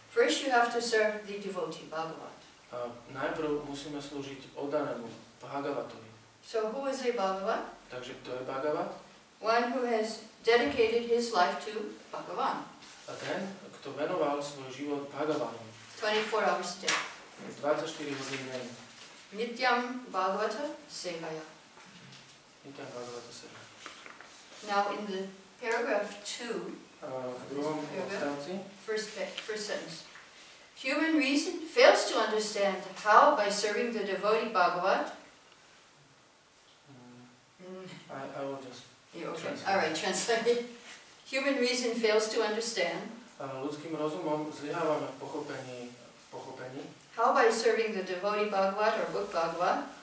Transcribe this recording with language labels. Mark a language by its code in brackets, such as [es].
[en] First you have to serve the devotee, Bhagavat. [sk] Najprv musíme slúžiť oddanému. Bhagavatovi. [en] So who is a Bhagavat? [sk] Takže kto je Bhagavat? [en] One who has dedicated his life to Bhagavan. [sk] A ten, kto venoval svoj život Bhagavanu. [en] 24 hours a day. [sk] 24 hodín deň. [sa] Nityam Bhagavata sevaya. Nityam Bhagavata sevaya. [en] Now in the paragraph 2. [sk] V druhom odstavci. [en] First sentence. Human reason fails to understand how by serving the devotee Bhagavat. I will just translate. All right, translate. Human reason fails to understand. [sk] Ľudským rozumom zlyhávame v pochopení. [en] How by serving the devotee Bhagavat or book Bhagavat.